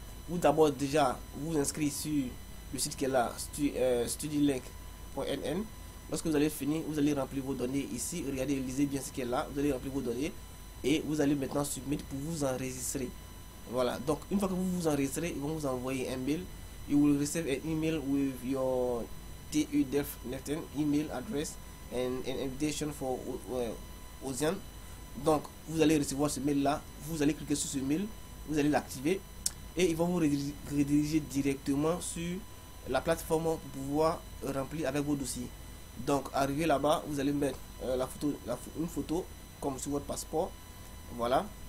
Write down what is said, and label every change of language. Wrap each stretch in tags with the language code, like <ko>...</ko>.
<fr>Ou d'abord, déjà, vous inscrivez sur le site qui est là, studielink.nn. Lorsque vous allez finir, vous allez remplir vos données ici. Regardez, lisez bien ce qui est là. Vous allez remplir vos données et vous allez maintenant submettre pour vous enregistrer. Voilà, donc une fois que vous vous enregistrez, ils vont vous envoyer un mail.</fr> <en>You will receive an email with your TU-DELF email address and an invitation for OSIAN.</en> <fr>Donc, vous allez recevoir ce mail-là. Vous allez cliquer sur ce mail. Vous allez l'activer. Et ils vont vous rediriger directement sur la plateforme pour pouvoir remplir avec vos dossiers. Donc, arrivé là-bas, vous allez mettre une photo comme sur votre passeport. Voilà.</fr>